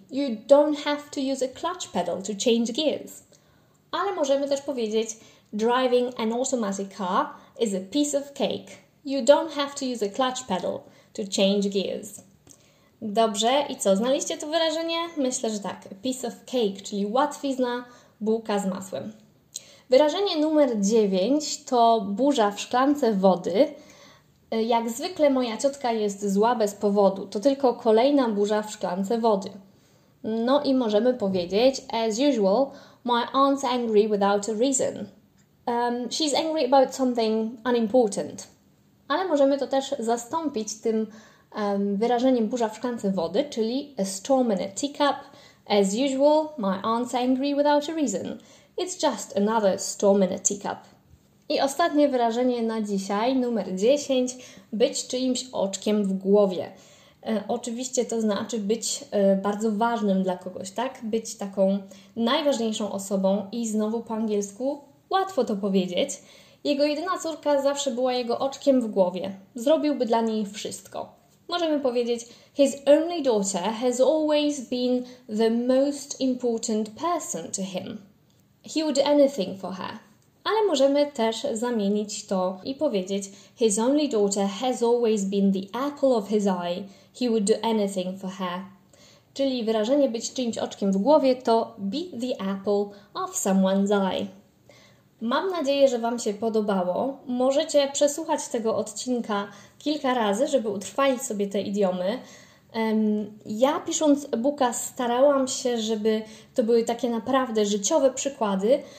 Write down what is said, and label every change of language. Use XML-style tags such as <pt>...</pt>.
<en>You don't have to use a clutch pedal to change gears.</en> <pl>Ale możemy też powiedzieć,</pl> <en>driving an automatic car is a piece of cake. You don't have to use a clutch pedal to change gears.</en> <pl>Dobrze, i co, znaliście to wyrażenie? Myślę, że tak,</pl> <en>a piece of cake,</en> <pl>czyli łatwizna, bułka z masłem. Wyrażenie numer 9 to burza w szklance wody. Jak zwykle moja ciotka jest zła bez powodu, to tylko kolejna burza w szklance wody. No i możemy powiedzieć,</pl> <en>as usual, my aunt's angry without a reason. She's angry about something unimportant.</en> <pl>Ale możemy to też zastąpić tym wyrażeniem burza w szklance wody, czyli</pl> <en>a storm in a teacup. As usual, my aunt's angry without a reason. It's just another storm in a teacup.</en> <pl>I ostatnie wyrażenie na dzisiaj, numer 10, być czyimś oczkiem w głowie. Oczywiście to znaczy być bardzo ważnym dla kogoś, tak? Być taką najważniejszą osobą i znowu po angielsku łatwo to powiedzieć. Jego jedyna córka zawsze była jego oczkiem w głowie. Zrobiłby dla niej wszystko. Możemy powiedzieć,</pl> <en>his only daughter has always been the most important person to him. He would do anything for her.</en> <pl>Ale możemy też zamienić to i powiedzieć,</pl> <en>his only daughter has always been the apple of his eye. He would do anything for her.</en> <pl>Czyli wyrażenie być czyimś oczkiem w głowie</pl> <en>to be the apple of someone's eye.</en> <pl>Mam nadzieję, że Wam się podobało. Możecie przesłuchać tego odcinka kilka razy, żeby utrwalić sobie te idiomy. Ja pisząc e-booka starałam się, żeby to były takie naprawdę życiowe przykłady.</pl>